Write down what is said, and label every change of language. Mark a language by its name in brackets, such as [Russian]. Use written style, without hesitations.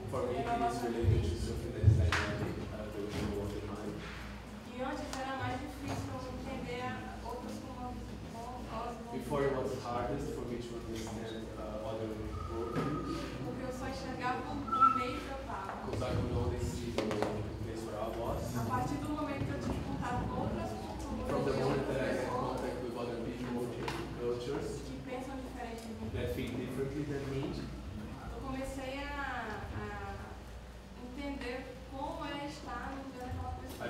[English] For me, it's related to something that is dynamic. The way you work in mind. [Portuguese] E antes era mais difícil entender outros movimentos. [English] Before it was hardest for me to understand other movements. [Portuguese] Porque eu só enxergava o meio que eu estava. [English] Because I could only see the place where I was. [Portuguese] A partir do momento que eu tive contato com outras culturas. [English] From the moment that I had contact with other people, cultures. [Portuguese] Que pensam diferente de mim. [English] That think differently than me. [Portuguese] Eu comecei a entender como é estar no lugar daquela pessoa.